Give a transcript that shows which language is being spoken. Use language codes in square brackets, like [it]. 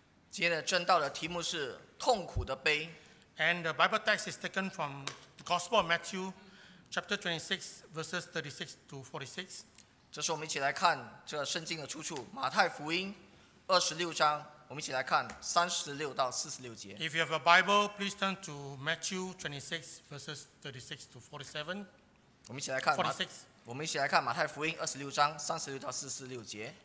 [zh] 今天的正道的题目是痛苦的杯。 [en] And the Bible text is taken from the Gospel of Matthew, chapter 26, verses 36 to 46. [zh] 这是我们一起来看这圣经的出处，马太福音二十六章，我们一起来看三十六到四十六节。 [en] If you have a Bible, please turn to Matthew 26, verses 36 to 47. [zh] 我们一起来看 [en] 46. [zh] 我们一起来看马太福音二十六章三十六到四十六节。